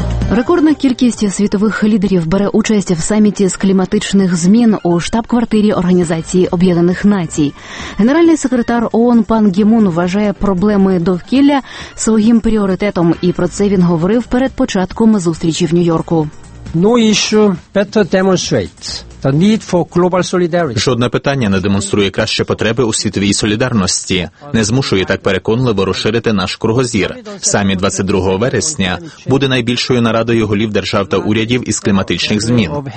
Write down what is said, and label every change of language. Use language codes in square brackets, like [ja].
[uk] Рекордна кількість світових лідерів бере участь в саміті з кліматичних змін у штаб-квартирі Організації Об'єднаних Націй. Генеральний секретар ООН пан Гі-мун вважає проблеми довкілля своїм пріоритетом, і про це він говорив перед початком зустрічі в Нью-Йорку. [en] No issue better demonstrates the need for global solidarity. [uk] Жодне питання не демонструє краще потреби у світовій солідарності, не змушує так переконливо розширити наш кругозір. Самі 22 вересня буде найбільшою нарадою голів держав та урядів із кліматичних змін.